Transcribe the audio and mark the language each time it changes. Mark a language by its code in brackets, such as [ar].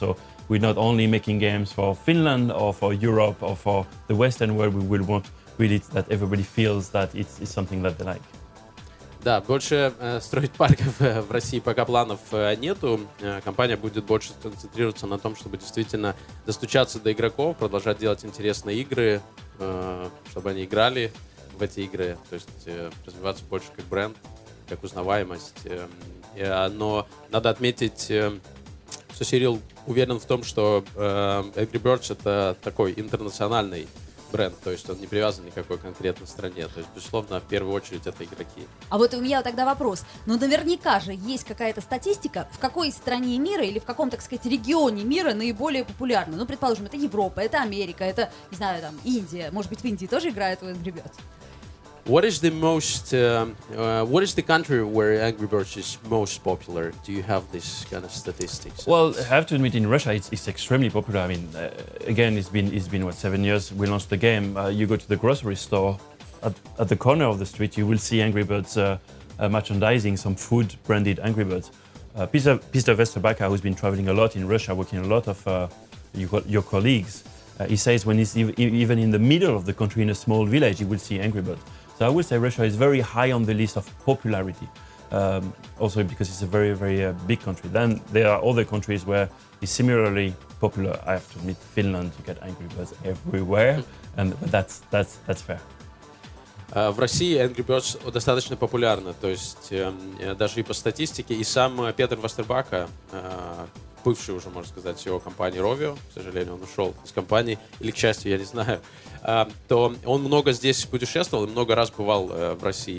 [en] So we're not only making games for Finland or for Europe or for the Western world, we will want really that everybody feels that it's something that they like. [ru] Да, больше строить парков в России пока планов нету. Компания будет больше сконцентрироваться на том, чтобы действительно достучаться до игроков, продолжать делать интересные игры, чтобы они играли в эти игры, то есть развиваться больше как бренд, как узнаваемость. Но надо отметить, что Кирилл уверен в том, что Angry Birds — это такой интернациональный бренд, то есть он не привязан ни к какой конкретной стране. То есть, безусловно, в первую очередь это игроки. А вот у меня тогда вопрос. Ну, наверняка же есть какая-то статистика, в какой стране мира или в каком, так сказать, регионе мира наиболее популярны. Ну, предположим, это Европа, это Америка, это, не знаю, там, Индия. Может быть, в Индии тоже играют в Angry Birds? [en] What is the most, what is the country where Angry Birds is most popular? Do you have this kind of statistics? Well, I have to admit, in Russia, it's extremely popular. I mean, again, it's been what, 7 years we launched the game. You go to the grocery store, at the corner of the street, you will see Angry Birds merchandising, some food branded Angry Birds. Peter Vesterbacher, who's been traveling a lot in Russia, working a lot of your colleagues, he says when he's even in the middle of the country, in a small village, he will see Angry Birds. So I would say Russia is very high on the list of popularity, also because it's a very, very big country. Then there are other countries where it's similarly popular. I have to admit, Finland, you get Angry Birds everywhere, and that's fair. [ru] В России Angry Birds достаточно популярны, то есть даже и по статистике, и сам Петр Вестербакер, бывшей уже, можно сказать, CEO компании Rovio, к сожалению, он ушел из компании, или к счастью, я не знаю, то он много здесь путешествовал и много раз бывал в России.